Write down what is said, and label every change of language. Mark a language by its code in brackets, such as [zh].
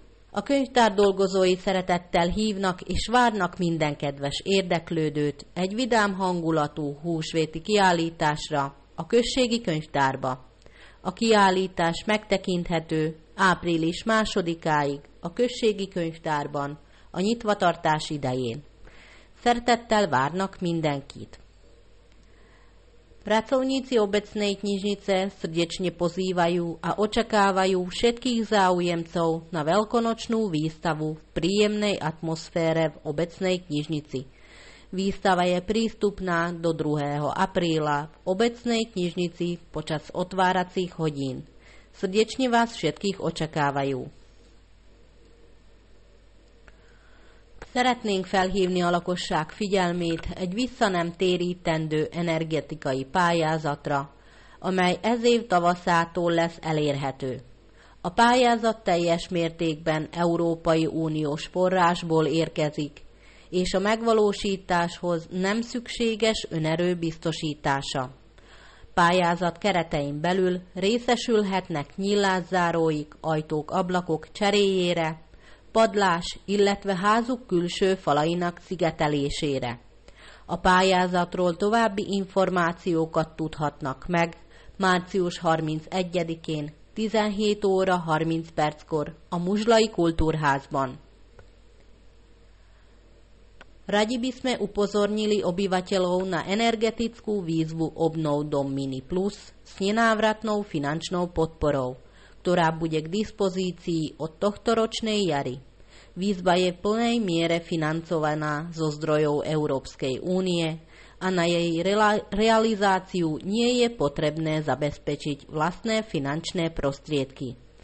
[hu] A könyvtár dolgozói szeretettel hívnak és várnak minden kedves érdeklődőt egy vidám hangulatú húsvéti kiállításra a községi könyvtárba. A kiállítás megtekinthető április 2-ig a községi könyvtárban a nyitvatartás idején. Szeretettel várnak mindenkit. [sk] Pracovníci obecnej knižnice srdečne pozývajú a očakávajú všetkých záujemcov na veľkonočnú výstavu v príjemnej atmosfére v obecnej knižnici. Výstava je prístupná do 2. apríla v obecnej knižnici počas otváracích hodín. Srdečne vás všetkých očakávajú. [hu] Szeretnénk felhívni a lakosság figyelmét egy visszanemtérítendő energetikai pályázatra, amely ez év tavaszától lesz elérhető. A pályázat teljes mértékben Európai Uniós forrásból érkezik, és a megvalósításhoz nem szükséges önerő biztosítása. Pályázat keretein belül részesülhetnek nyílászáróik, ajtók, ablakok cseréjére, padlás, illetve házuk külső falainak szigetelésére. A pályázatról további információkat tudhatnak meg március 31-én 17 óra 30 perckor a Muzslai Kultúrházban. [sk] Radi by sme upozornili obyvateľov na energetickú výzvu Obnov dom Mini Plus s nenávratnou finančnou podporou, ktorá bude k dispozícii od tohto ročnej jary. Výzva je v plnej miere financovaná zo zdrojov Európskej únie a na jej realizáciu nie je potrebné zabezpečiť vlastné finančné prostriedky.